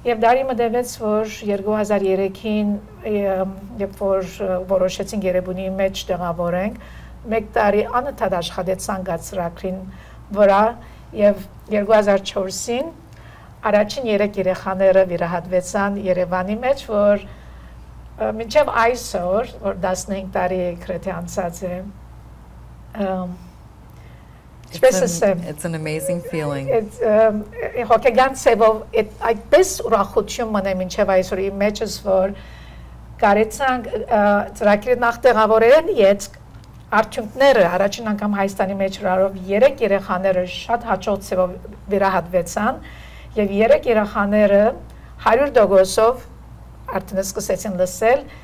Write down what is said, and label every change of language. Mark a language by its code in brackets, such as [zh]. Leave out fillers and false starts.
[hy] Եվ դարի մտեվեց, որ 2003-ին, երբ որ որոշեցինք Երևանի մեջ տեղավորենք, մեկ տարի անընդհատ աշխատեցանք այդ ծրագրին վրա, եւ 2004-ին առաջին երեք երեխաները վիրահատվեցան Երևանի մեջ, որ մինչև այսօր, որ 15 տարի է գրեթե անցած է, ինչպես ասեմ… [en] It's an amazing feeling. [hy] Հոգեկան ձևով այդպես ուրախություն մնա մինչև այսօր իմ մեջս, որ կարեցանք ծրագիրը նախ տեղավորեն ենք, արդյունքները առաջին անգամ Հայաստանի մեջ հրարով երեք երեխաները շատ հաջող ձևով վիրահատվեցան, և երեք երեխաները 100% արդեն սկսեցին լսել,